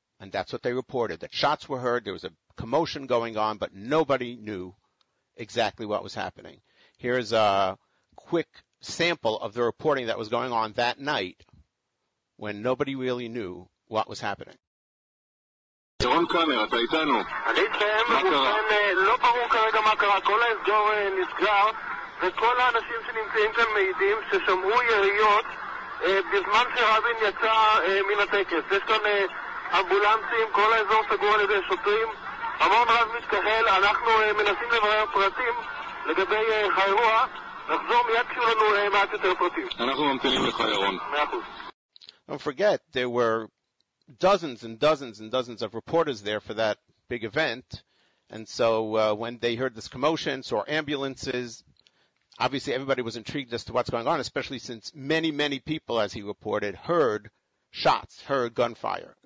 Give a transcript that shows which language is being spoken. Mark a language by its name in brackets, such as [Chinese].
[English] And that's what they reported, that shots were heard. There was a commotion going on, but nobody knew exactly what was happening. Here's a quick sample of the reporting that was going on that night when nobody really knew what was happening. [Hebrew] ירון קאמר, אתה איתנו? אני איתכם, ובכן, לא ברור כרגע מה קרה, כל האזור נסגר, וכל האנשים שנמצאים כאן מעידים ששמעו יריות בזמן שרבין יצא מן הטקס. יש כאן אמבולנסים, כל האזור סגור על ידי שוטרים. המון רב מתקהל, אנחנו מנסים לברר פרטים לגבי האירוע, נחזור מיד שיהיו לנו מעט יותר פרטים. אנחנו ממתינים לך, ירון. [English] Don't forget, there were dozens and dozens and dozens of reporters there for that big event. And so when they heard this commotion, saw ambulances, obviously everybody was intrigued as to what's going on, especially since many, many people, as he reported, heard shots, heard gunfire.